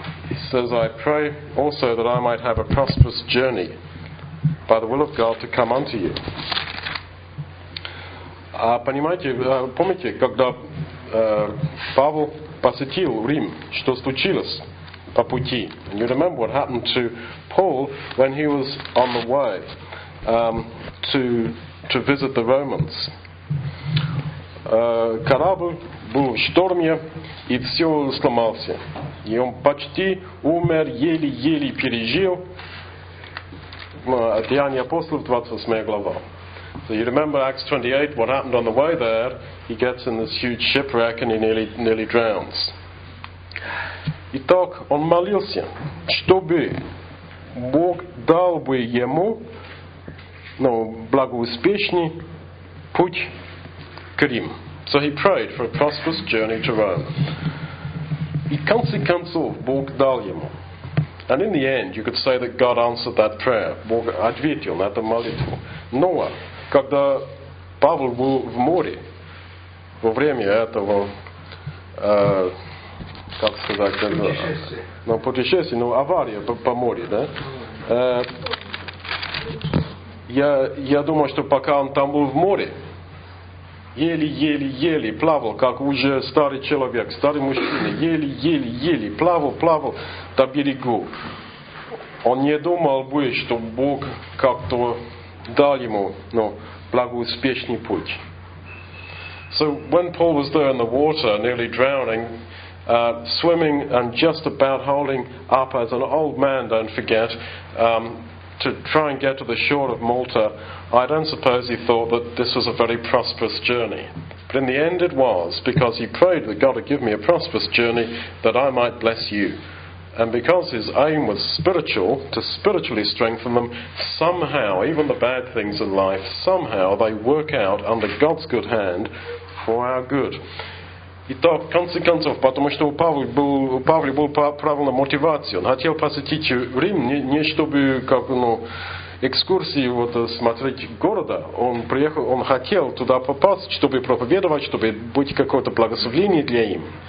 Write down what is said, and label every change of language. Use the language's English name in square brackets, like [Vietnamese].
[English] He says, I pray also that I might have a prosperous journey by the will of God to come unto you. [Russian] А понимаете, помните, когда Павел посетил Рим, что случилось? По пути. [English] And you remember what happened to Paul when he was on the way to visit the Romans. [Russian] Корабль был в шторме, и все сломался. И он почти умер, еле-еле пережил. Деяния апостолов, 28 глава. [English] So you remember Acts 28, what happened on the way there, he gets in this huge shipwreck and he nearly drowns. [Russian] Итак, он молился, чтобы Бог дал бы ему благоуспешный путь к Риму. [English] So he prayed for a prosperous journey to Rome. [Russian] И в конце концов Бог дал ему. [English] And in the end, you could say that God answered that prayer. [Russian] Бог ответил на эту молитву. Но когда Павел был в море во время этого как сказать, путешествие, авария по морю, да? Я думаю, что пока он там был в море, еле-еле-еле плавал, как уже старый человек, старый мужчина, еле-еле-еле плавал до берегу. Он не думал бы, что Бог как-то дал ему благоуспешный путь. [English] So when Paul was there in the water, nearly drowning, swimming and just about holding up as an old man, don't forget, to try and get to the shore of Malta, I don't suppose he thought that this was a very prosperous journey. But in the end it was, because he prayed that God would give me a prosperous journey that I might bless you. And because his aim was spiritual, to spiritually strengthen them, somehow, even the bad things in life, somehow they work out under God's good hand for our good. [Russian] Итак, в конце концов, потому что у Павла была правильная мотивация. Он хотел посетить Рим не чтобы экскурсии вот смотреть города, он приехал, он хотел туда попасть, чтобы проповедовать, чтобы быть какое-то благословение для им.